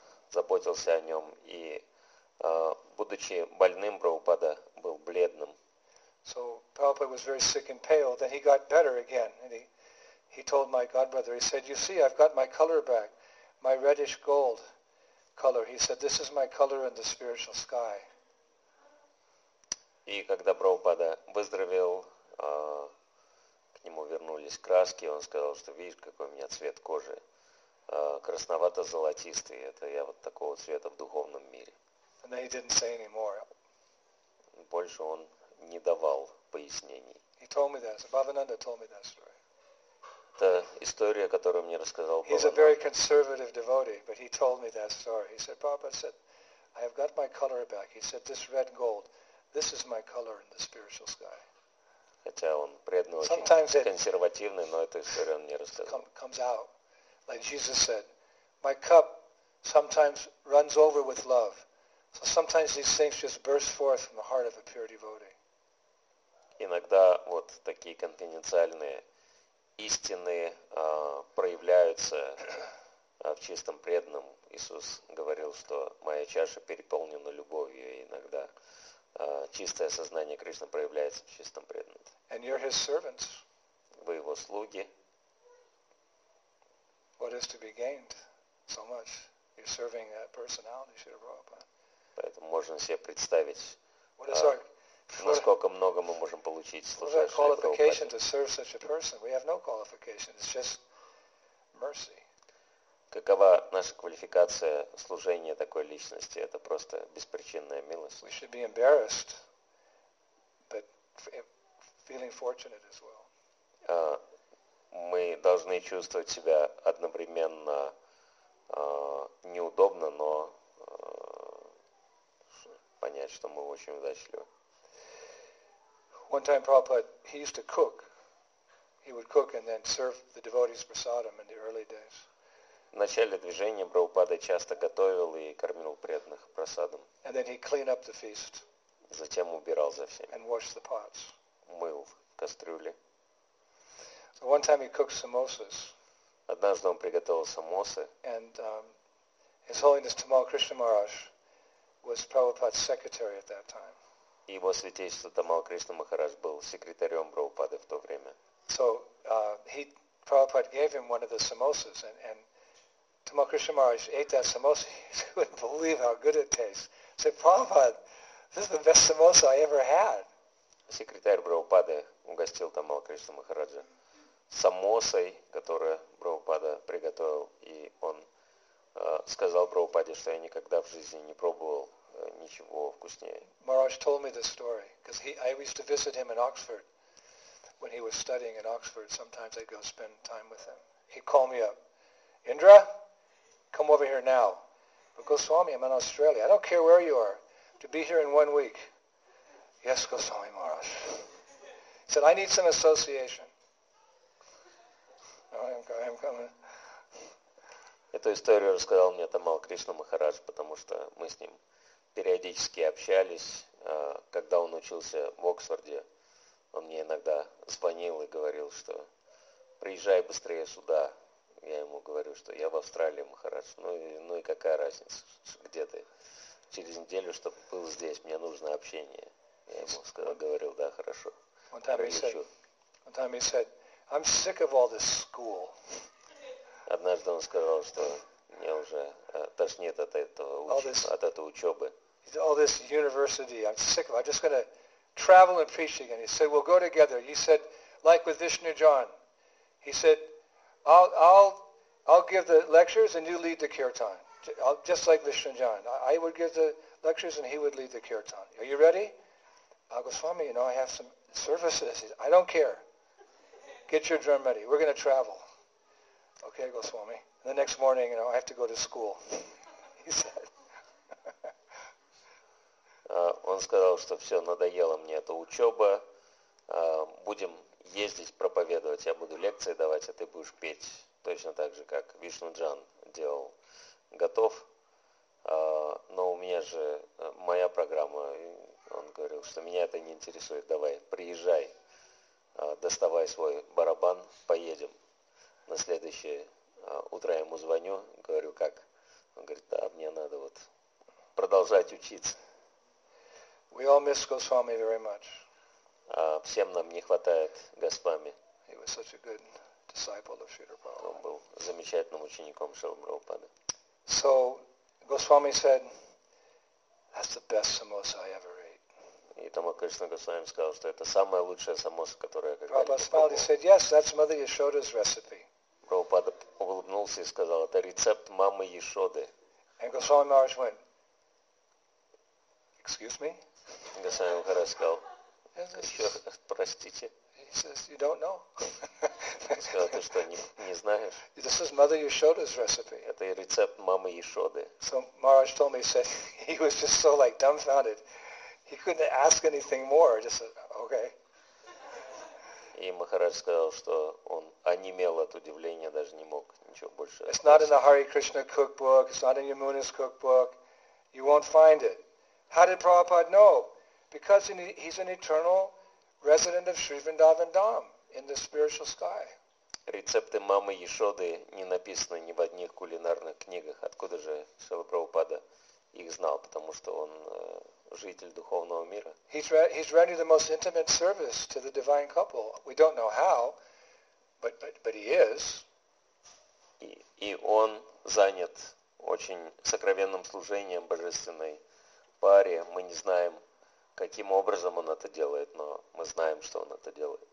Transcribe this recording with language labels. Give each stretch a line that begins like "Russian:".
Russian: Заботился о нем и, будучи больным, Прабхупада был бледным.
English: So Prabhupada was very sick and pale. Then he got better again. And he told my godbrother, he said, you see, I've got my color back, my reddish gold color. He said, this is my color in the spiritual sky.
Russian: И когда Прабхупада выздоровел, к нему вернулись краски, он сказал, что видишь, какой у меня цвет кожи, красновато-золотистый. Это я вот такого цвета в духовном мире.
English: And then he didn't say anymore.
Russian: Больше он не давал пояснений.
English: He told me this. Bhavananda told me that story.
Russian: Это история, которую мне рассказал Бхавананда.
English: He's a very conservative devotee, but he told me that story. He said, Prabhupada said, I have got my color back. He said, this red gold, this is my color in the spiritual sky.
Russian: Хотя он преданный, очень консервативный, но эту историю он мне рассказал.
English: Comes out. Like Jesus said, my cup sometimes runs over with love. So sometimes these things just burst forth from the heart of a pure devotee.
Russian: Иногда вот такие конфиденциальные истины проявляются в чистом преданном. Иисус говорил, что моя чаша переполнена любовью, и иногда чистое сознание Кришны проявляется в чистом преданном.
English: And you're his servants.
Russian: Вы его слуги.
English: What is to be gained? So much. You're serving that personality, Srila Prabhupada.
Russian: Поэтому можно себе представить, насколько много мы можем получить, служа Шри Прабхупаде.
English: What is our qualification to serve such a person? We have no qualification. It's just mercy.
Russian: Какова наша квалификация служения такой личности? Это просто беспричинная милость.
English: We should be embarrassed, but feeling fortunate as well.
Russian: Мы должны чувствовать себя одновременно неудобно, но понять, что мы очень удачливы.
English: One time Prabhupada, he used to cook. He would cook and then serve the devotees prasadam in the early days.
Russian: В начале движения Прабхупада часто готовил и кормил преданных просадом.
English: And then he cleaned up the feast.
Russian: Затем убирал за всеми.
English: And washed the pots.
Russian: Мыл кастрюли.
English: So one time he cooked samosas.
Russian: Однажды он приготовил самосы.
English: And His Holiness Tamal Krishna Maharaj was Prabhupada's secretary at that time.
Russian: Его святейшество Тамал Кришна Махарадж был секретарем Прабхупады в то время.
English: So Prabhupada gave him one of the samosas and Tamal Krishna Maharaj ate that samosa. He couldn't believe how good it tastes. He said, Prabhupada, this is the best samosa I ever had.
Russian: Секретарь Прабхупады угостил Тамал Кришна Махараджа самосой, которую Прабхупада приготовил, и он сказал Прабхупаде, что я никогда в жизни не пробовал ничего вкуснее.
English: Maharaj told me this story, because I used to visit him in Oxford. When he was studying in Oxford, sometimes I'd go spend time with him. He'd call me up. Indra, come over here now. But Goswami, I'm in Australia. I don't care where you are. To be here in 1 week. Yes, Goswami Maharaj. He said, I need some association. I'm coming.
Russian: Эту историю рассказал мне Тамал Кришна Махарадж, потому что мы с ним периодически общались, когда он учился в Оксфорде. Он мне иногда звонил и говорил, что приезжай быстрее сюда. Я ему говорю, что я в Австралии, Махарадж. Ну и какая разница, где ты? Через неделю, чтобы был здесь, мне нужно общение. Я ему сказал, говорил, да, хорошо.
English: One time he said, I'm sick of all this school.
Russian: Однажды он сказал, что мне уже тошнит от этого от этой учебы.
English: All this university, I'm sick of it. I'm just going to travel and preach again. He said, we'll go together. He said, like with Vishnu John, he said, I'll give the lectures and you lead the kirtan. Just like Vishnu John. I would give the lectures and he would lead the kirtan. Are you ready? Goswami, you know, I have some services. He said, I don't care. Get your drum ready. We're going to travel. Okay, Goswami. And the next morning, you know, I have to go to school. He said.
Russian: Он сказал, что все, надоело мне эта учеба. Будем ездить проповедовать. Я буду лекции давать, а ты будешь петь. Точно так же, как Вишну Джан делал. Готов. Но у меня же моя программа. Он говорил, что меня это не интересует. Давай, приезжай. Доставай свой барабан, поедем. На следующее утро я ему звоню, говорю, как? Он говорит, да, мне надо вот продолжать учиться.
English: We all miss Goswami very much.
Russian: Всем нам не хватает Госвами.
English: He was such a good disciple of Śrīla Prabhupāda.
Russian: Он был замечательным учеником Śrīla Prabhupāda.
English: So, Goswami said, that's the best samosa I ever ate.
Russian: И Тамал Кришна Госвами сказал, что это самая лучшая самоса, которую я когда-либо пробовал.
English: Prabhupāda smiled and said, yes, that's Mother Yashoda's recipe.
Russian: Прабхупада улыбнулся и сказал, это рецепт мамы Яшоды.
English: And Goswami Maharaj went, excuse me?
Russian: Госвами Махарадж сказал, еще простите.
English: He says, you don't know.
Russian: Он сказал, ты что, не знаешь?
English: This is Mother Yashoda's recipe.
Russian: Это рецепт мамы Яшоды.
English: So Maharaj told me, he said, he was just so like dumbfounded. He couldn't ask anything more. Just said, okay.
Russian: И Махарадж сказал, что он онемел от удивления, даже не мог ничего больше.
English: It's not in the Hare Krishna cookbook. It's not in Yamuna's cookbook. You won't find it. How did Prabhupada know? Because he's an eternal resident of Sri Vrindavan Dham in the spiritual sky.
Russian: Рецепты мамы Яшоды не написаны ни в одних кулинарных книгах. Откуда же Шрила Прабхупада их знал? Потому что он житель духовного мира.
English: He's rendering the most intimate service to the divine couple. We don't know how, but he is.
Russian: И он занят очень сокровенным служением божественной паре. Мы не знаем, каким образом он это делает, но мы знаем, что он это делает.